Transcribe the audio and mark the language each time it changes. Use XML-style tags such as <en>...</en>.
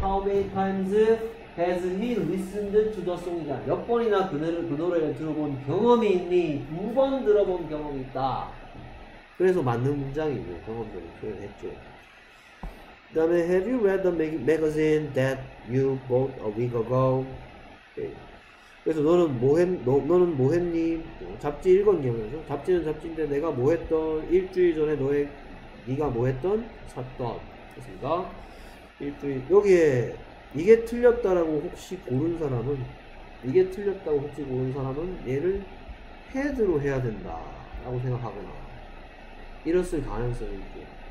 <en>How many times has he listened to the song</en> <ko>이냐? 몇 번이나 그 노래를 들어본 경험이 있니? 두 번 들어본 경험이 있다. 그래서 맞는 문장이고 경험적으로 표현했죠. 그 다음에</ko> <en>Have you read the magazine that you bought a week ago? Okay.</en> <ko>그래서 너는 뭐 너는 뭐 했니? 잡지 읽었냐면서? 잡지는 잡지인데 내가 뭐 했던 일주일 전에 너의 네가 뭐 했던? 샀던. 됐습니까? 일주일 여기에 이게 틀렸다라고 혹시 고른 사람은 이게 틀렸다고 혹시 고른 사람은 얘를 head로 해야 된다 라고 생각하거나 이랬을 가능성이 있죠.</ko>